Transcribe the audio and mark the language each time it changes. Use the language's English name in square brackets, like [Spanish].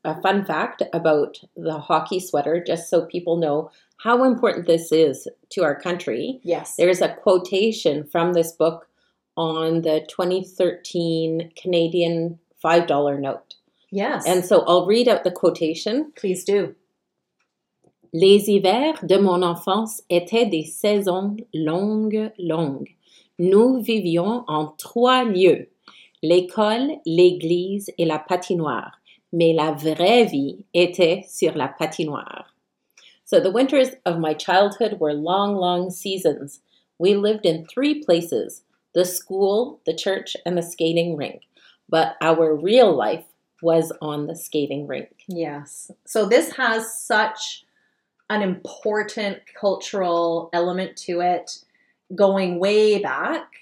[English] A fun fact about the Hockey Sweater, just so people know how important this is to our country. Yes. There is a quotation from this book on the 2013 Canadian $5 note. Yes. And so I'll read out the quotation. Please do. [French] Les hivers de mon enfance étaient des saisons longues, longues. Nous vivions en trois lieux, l'école, l'église et la patinoire. Mais la vraie vie était sur la patinoire. [English] So the winters of my childhood were long, long seasons. We lived in three places, the school, the church, and the skating rink. But our real life was on the skating rink. Yes. So this has such an important cultural element to it going way back.